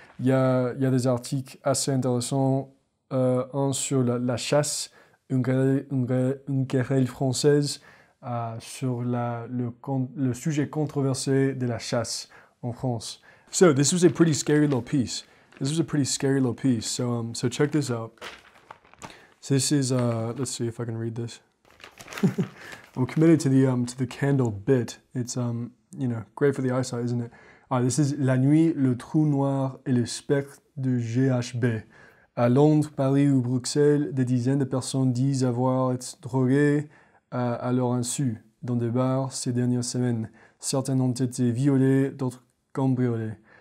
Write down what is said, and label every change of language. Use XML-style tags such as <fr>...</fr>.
<fr>Il y a des articles assez intéressants, un sur la chasse. Une querelle française sur le sujet controversé de la chasse en France.</fr> <en>So this was a pretty scary little piece. So so check this out. This is let's see if I can read this. I'm committed to the candle bit. It's you know, great for the eyesight, isn't it? Alright, this is</en> <fr>La Nuit, le trou noir et le spectre de GHB. À Londres, Paris ou Bruxelles, des dizaines de personnes disent avoir été droguées à leur insu dans des bars ces dernières semaines. Certaines ont été violées, d'autres cambriolées.</fr>